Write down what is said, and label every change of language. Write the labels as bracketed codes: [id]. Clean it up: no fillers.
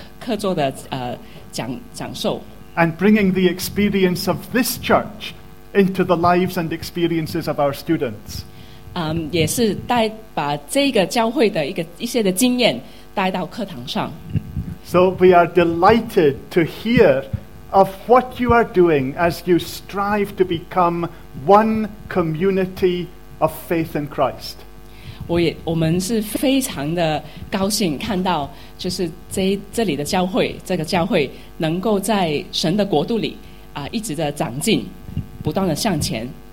[en] And bringing the experience of this church into the lives and experiences of our students. [zh] 也是把这个教会的一些的经验带到课堂上。 [en] So we are delighted to hear of what you are doing as you strive to become one community of faith in Christ. [zh] 我们是非常的高兴看到就是这里的教会这个教会能够在神的国度里 一直的长进, 不断的向前。